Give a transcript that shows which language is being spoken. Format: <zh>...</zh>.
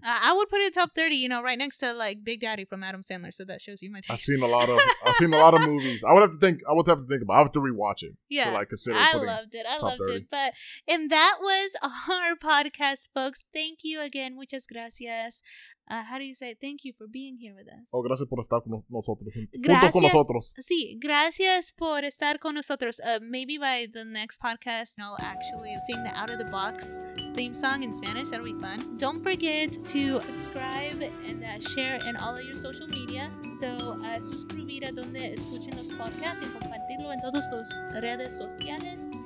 <en>I would put it top 30, you know, right next to, like, Big Daddy from Adam Sandler. So that shows you my taste. I've seen a lot of movies. I have to rewatch it. Yeah. To, like, consider putting it. I loved it. And that was our podcast, folks. Thank you again.</en> <es>Muchas gracias.</es> <en>How do you say it? Thank you for being here with us.</en> <es>Oh, gracias por estar con nosotros. Junto con nosotros. Sí, gracias por estar con nosotros.</es> <en>Maybe by the next podcast, I'll actually sing the Out of the Box theme song in Spanish. That'll be fun. Don't forget to subscribe and share in all of your social media.</en> <es>So, suscribir a donde escuchen los podcasts y compartirlo en todas sus redes sociales.</es>